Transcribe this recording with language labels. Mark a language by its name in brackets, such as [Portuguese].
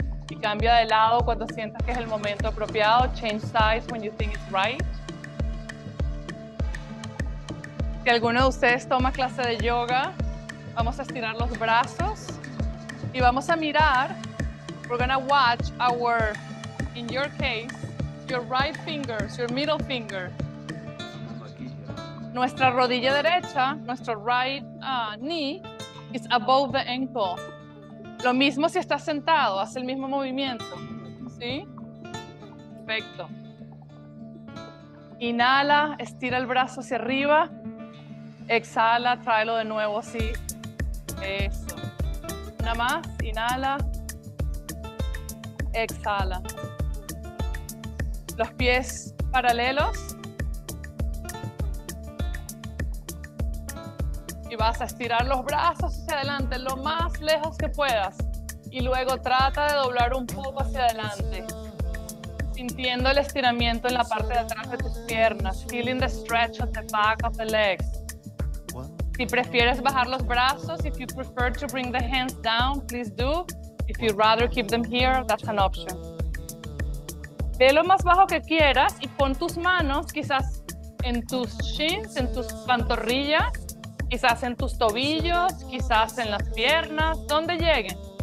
[Spanish] Y cambia de lado cuando sientas que es el momento apropiado. [English] Change sides when you think it's right. [Spanish] Si alguno de ustedes toma clase de yoga, vamos a estirar los brazos y vamos a mirar. [English] We're gonna watch our, in your case, your right fingers, your middle finger. [Spanish] Nuestra rodilla derecha, nuestro [English] right knee, is above the ankle. [Spanish] Lo mismo si estás sentado, hace el mismo movimiento. ¿Sí? Perfecto. Inhala, estira el brazo hacia arriba. Exhala, tráelo de nuevo así. Eso. Una más, inhala. Exhala. Los pies paralelos. Y vas a estirar los brazos hacia adelante, lo más lejos que puedas. Y luego trata de doblar un poco hacia adelante. Sintiendo el estiramiento en la parte de atrás de tus piernas. [English] Feeling the stretch at the back of the legs. [Spanish] Si prefieres bajar los brazos, [English] if you prefer to bring the hands down, please do. If you'd rather keep them here, that's an option. [Spanish] Ve lo más bajo que quieras y pon tus manos quizás en tus shins, en tus pantorrillas. Quizás en tus tobillos, quizás en las piernas, donde lleguen.